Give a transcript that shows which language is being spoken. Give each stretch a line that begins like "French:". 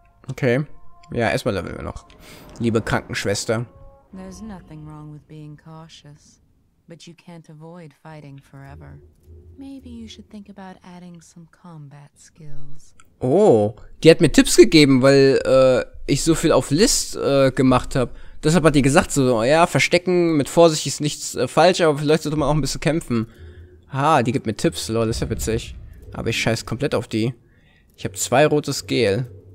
German: Okay. Ja, erstmal leveln wir noch. Liebe Krankenschwester.
English: There's nothing wrong with being cautious, but you can't avoid fighting forever. Maybe you should think about adding some combat skills.
German: Oh, die hat mir Tipps gegeben, weil ich so viel auf List gemacht habe. Deshalb hat die gesagt so, ja, verstecken mit Vorsicht ist nichts falsch, aber vielleicht sollte man auch ein bisschen kämpfen. Ha, die gibt mir Tipps, lol, das ist ja witzig. Aber ich scheiß komplett auf die. Ich habe zwei rotes Gel.